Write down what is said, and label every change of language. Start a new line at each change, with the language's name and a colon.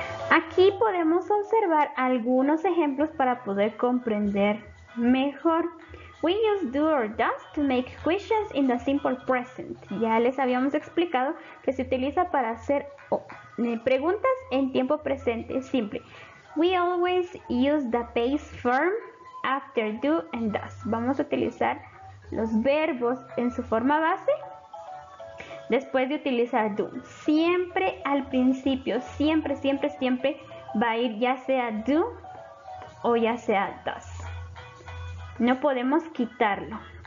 Spanish: Aquí podemos observar algunos ejemplos para poder comprender mejor.
English: We use do or does to make questions in the simple present.
Spanish: Ya les habíamos explicado que se utiliza para hacer preguntas en tiempo presente simple.
English: We always use the base form after do and does.
Spanish: Vamos a utilizar los verbos en su forma base después de utilizar do. Siempre al principio, siempre, siempre, siempre va a ir ya sea do o ya sea does. No podemos quitarlo.